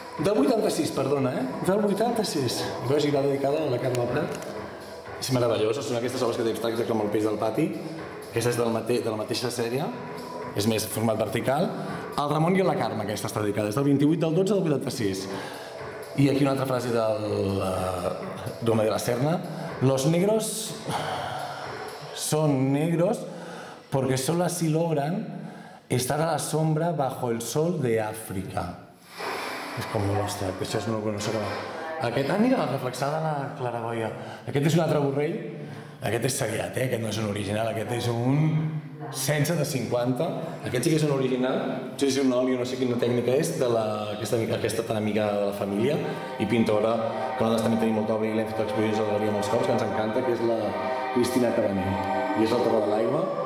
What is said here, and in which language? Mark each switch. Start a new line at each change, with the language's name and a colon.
Catalan: Del 86, perdona, eh? Del 86. Veus, i va dedicada a la Carme Prat. És meravellós, són aquestes obres que té abstractes com El peix del pati. Aquesta és de la mateixa sèrie, és més format vertical. El Ramon i la Carme, aquesta està dedicada, és del 28, del 12, del 86. I aquí una altra frase del Gómez de la Serna.
Spanish: Los negros son negros porque solo así logran estar a la sombra bajo el sol de África.
Catalan: És com l'ostre, que això és molt bueno. Aquest, mira, reflexada la claraboia. Aquest és un altre Borrell, Aquest és seriat, eh? Aquest no és un original, aquest és un 16 de 50. Aquest sí que és un original, no sé si és un oli o no sé quina tècnica és, de la, aquesta tan amiga de la família i pintora, que nosaltres també tenim molta obra i l'hem fet exposició de l'Oriol molts cops, que ens encanta, que és la Cristina Cabanell. I és el Torre de l'Aigua.